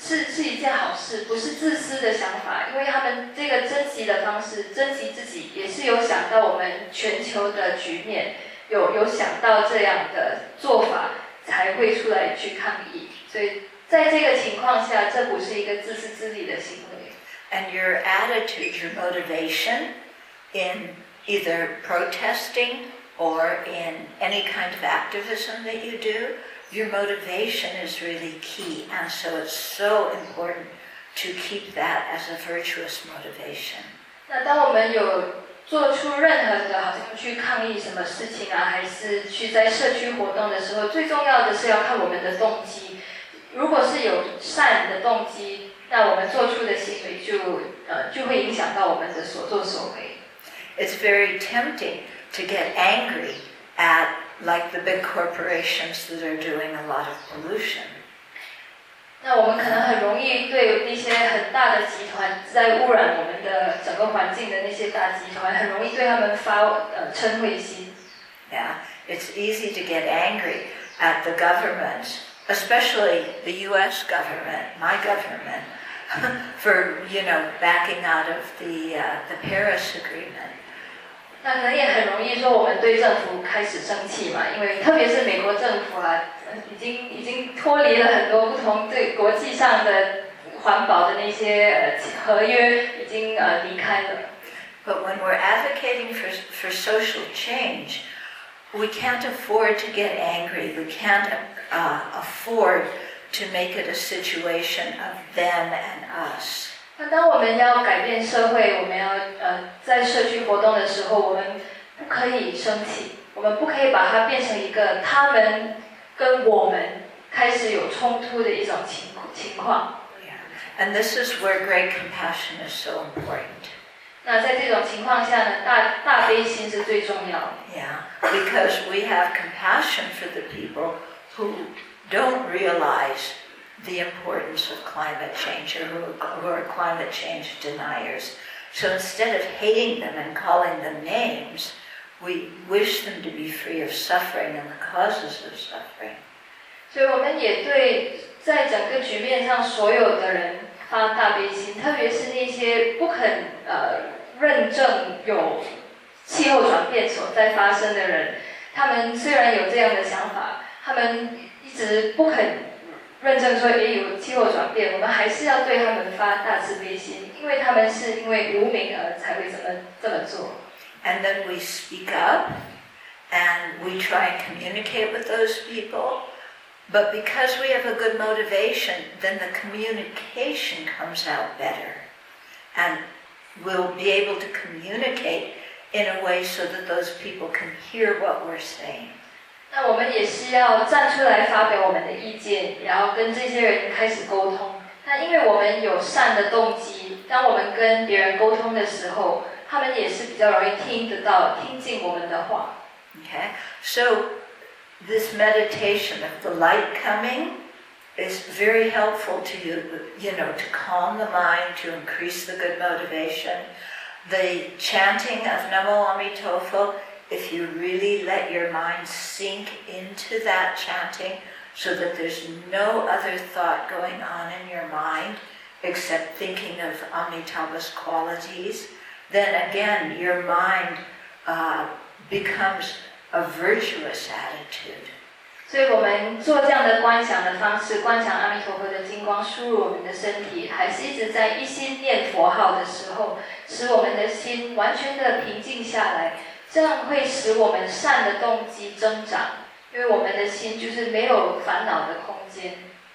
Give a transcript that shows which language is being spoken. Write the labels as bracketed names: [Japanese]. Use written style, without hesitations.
[Chinese] 是一件好事，不是自私的想法，因为他们这个珍惜的方式珍惜自己也是有想到我们全球的局面，有想到这样的做法才会出来去抗议，所以在这个情况下，这不是一个自私自利的行为。 [English] And your attitude, your motivation in either protesting or in any kind of activism that you do, your motivation is really key, and so it's so important to keep that as a virtuous motivation. [Chinese] 那当我们有做出任何的，好像去抗议什么事情啊，还是去在社区活动的时候，最重要的是要看我们的动机。如果是有善的动机，那我们做出的行为就会影响到我们的所作所为。 [English] It's very tempting to get angry at like the big corporations that are doing a lot of pollution. [Chinese] 那我们可能很容易对那些很大的集团在污染我们的整个环境的那些大集团，很容易对他们发嗔恚心。 [English] Yeah, it's easy to get angry at the government, especially the U.S. government, my government, for you know backing out of the Paris Agreement. [Chinese] 那可能也很容易说我们对政府开始生气嘛，因为特别是美国政府啊。已经脱离了很多不同对国际上的环保的那些合约已经离开了。 [English] But when we're advocating for social change, we can't afford to get angry. We can't afford to make it a situation of them and us. [Chinese] 那当我们要改变社会，我们要在社区活动的时候，我们不可以生气，我们不可以把它变成一个他们。跟我们开始有冲突的一种情况。 [English] Yeah. And this is where great compassion is so important. [Chinese] 那在这种情况下呢，大悲心是最重要的。 [English] Yeah. Because we have compassion for the people who don't realize the importance of climate change or who are climate change deniers. So instead of hating them and calling them names,We wish them to be free of suffering and the causes of suffering. [Chinese] 所以我们也对在整个局面上所有的人发大悲心，特别是那些不肯认证有气候转变所在发生的人，他们虽然有这样的想法，他们一直不肯认证说也有气候转变，我们还是要对他们发大慈悲心，因为他们是因为无明而才会这么做。 [English] And then we speak up, and we try and communicate with those people. But because we have a good motivation, then the communication comes out better. And we'll be able to communicate in a way so that those people can hear what we're saying. [Chinese] 那我们也是要站出来发表我们的意见，然后跟这些人开始沟通。那因为我们有善的动机，当我们跟别人沟通的时候，他们也是比较容易听得到，听进我们的话。 [English] Okay, so this meditation of the light coming is very helpful to you, you know, to calm the mind, to increase the good motivation. The chanting of Namo Amitofo, if you really let your mind sink into that chanting so that there's no other thought going on in your mind except thinking of Amitabha's qualities,then again, your mind becomes a virtuous attitude. [Chinese] 所以我们做这样的观想的方式，观想阿弥陀佛的金光输入我们的身体，还是一直在一心念佛号的时候，使我们的心完全的平静下来，这样会使我们善的动机增长，因为我们的心就是没有烦恼的空间。